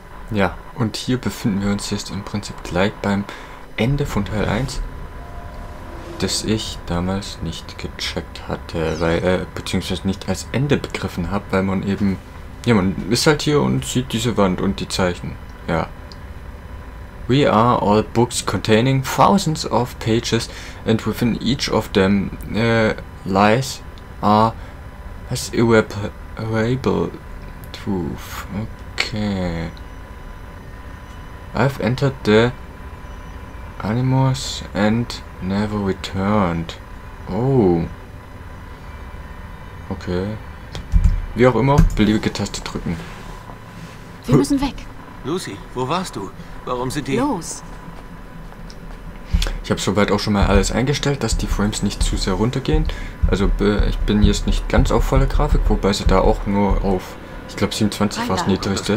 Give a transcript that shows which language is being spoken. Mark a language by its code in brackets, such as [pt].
[de] Ja, und hier befinden wir uns jetzt im Prinzip gleich beim Ende von Teil 1, das ich damals nicht gecheckt hatte, weil beziehungsweise nicht als Ende begriffen habe, weil man eben, ja, man ist halt hier und sieht diese Wand und die Zeichen, ja. [en] We are all books containing thousands of pages and within each of them lies are as irreparable truth. Okay. I've entered the Animus and never returned. Oh. Okay. [de] Wie auch immer, beliebige Taste drücken. Wir müssen weg. Lucy, wo warst du? Warum sind die... Los. Ich habe soweit auch schon mal alles eingestellt, dass die Frames nicht zu sehr runtergehen. Also ich bin jetzt nicht ganz auf volle Grafik, wobei sie da auch nur auf, ich glaube, 27 war es niedrigste.